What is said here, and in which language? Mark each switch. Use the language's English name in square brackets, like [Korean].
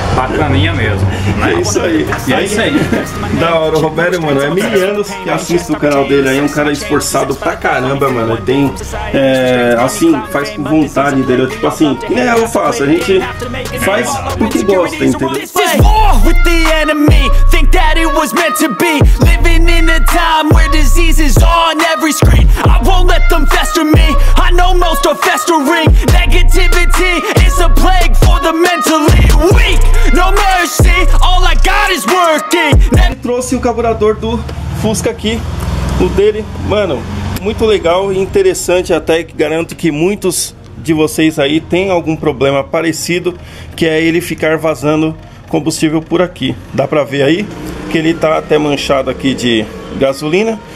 [Portuguese] Bacaninha mesmo. Né? É isso aí. E é isso aí. Da hora, Robério, mano, é mil anos que assisto o canal dele aí, um cara esforçado pra caramba, mano. Tem, assim, faz com vontade, entendeu? Tipo assim, né? Eu faço, a gente faz porque gosta, entendeu? [English] With the enemy, think that it was meant to be. Living in a time where disease is on every screen. I won't let them fester me. I know most are festering. Negativity is a plague for the mentally weak. No mercy, all I got is working. [Portuguese] Eu trouxe o carburador do Fusca aqui, o dele, mano, muito legal e interessante até, que garanto que muitos de vocês aí tem algum problema parecido, que é ele ficar vazando combustível por aqui. Dá pra ver aí que ele tá até manchado aqui de gasolina.